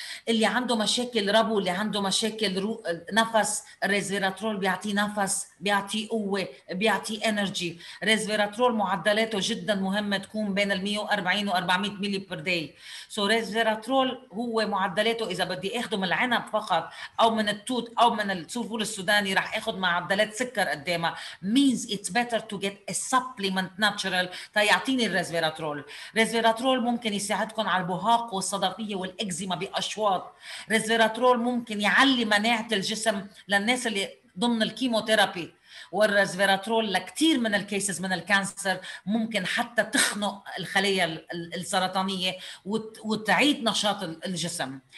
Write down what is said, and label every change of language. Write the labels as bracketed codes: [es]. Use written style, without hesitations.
[ar] اللي عنده مشاكل ربو، اللي عنده مشاكل نفس، resveratrol بيعطي نفس، بيعطي قوة، بيعطي انرجي. resveratrol معدلاته جدا مهمة تكون بين ال 140 و 400 ميلي بير داي. So resveratrol هو معدلاته إذا بدي أخده من العنب فقط أو من التوت أو من السوفول السوداني رح أخد معدلات سكر قدامه. [en] Means it's better to get a supplement natural [ar] تيعطيني الresveratrol. resveratrol ممكن يساعدكم على البهاق والصدفية والإكزيما بأشواط. resveratrol ممكن يعلي مناعة الجسم للناس اللي ضمن الكيموثيرابي. والرزفيراترول لكتير من الكيسز من الكانسر ممكن حتى تخنق الخلايا السرطانية وتعيد نشاط الجسم.